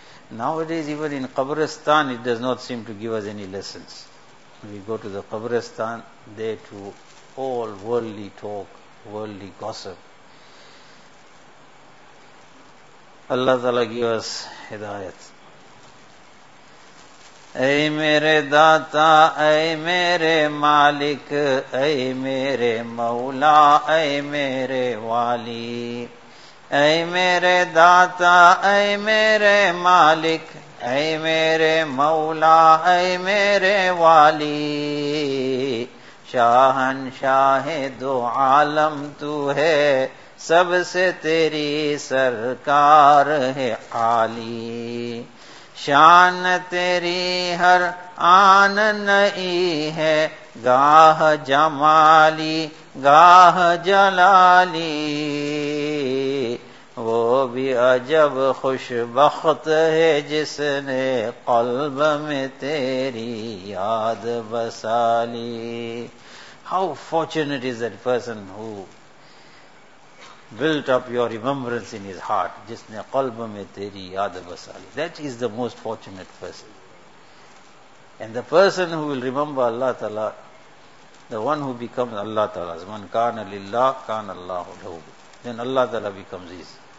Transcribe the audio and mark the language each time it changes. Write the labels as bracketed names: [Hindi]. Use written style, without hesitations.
[English] Nowadays, even in Qabristan, it does not seem to give us any lessons. We go to the Qabristan, there to all worldly talk, worldly gossip. Allah Ta'ala give us hidayat. [Urdu] اے میرے داتا اے میرے مالک اے میرے مولا اے میرے والی اے میرے داتا اے میرے مالک اے میرے مولا اے میرے والی شاہنشاہ دو عالم تو ہے سب سے تیری سرکار ہے عالی शान तेरी हर आन नई है, गाह जमाली गाह जलाली, वो भी अजब खुशबख्त है जिसने कल्ब में तेरी याद बसाली. [English] How fortunate is that person who built up your remembrance in his heart, [Urdu] jisne qalb mein teri yaad basali. [English] That is the most fortunate person. And the person who will remember Allah Ta'ala, the one who becomes Allah Ta'ala's, [Arabic] man kana lillah, kana Allahu lahu, [English] then Allah Ta'ala becomes his.